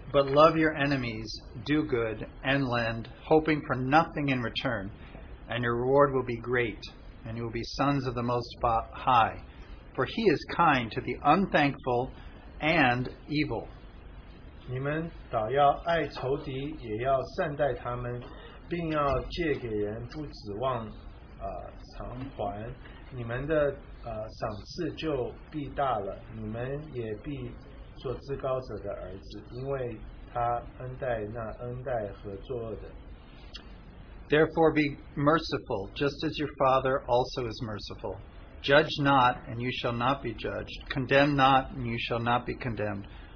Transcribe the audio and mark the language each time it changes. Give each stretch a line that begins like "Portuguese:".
English: But love your enemies, do good, and lend, hoping for nothing in return, and your reward will be great. And you will be sons of the Most High, for He is kind to the unthankful and evil.
Chinese: 你们倒要爱仇敌，也要善待他们，并要借给人不指望偿还。你们的赏赐就必大了，你们也必做至高者的儿子，因为他恩待那恩待和作恶的。
English: Therefore be merciful, just as your Father also is merciful. Judge not, and you shall not be judged. Condemn not, and you shall not be condemned.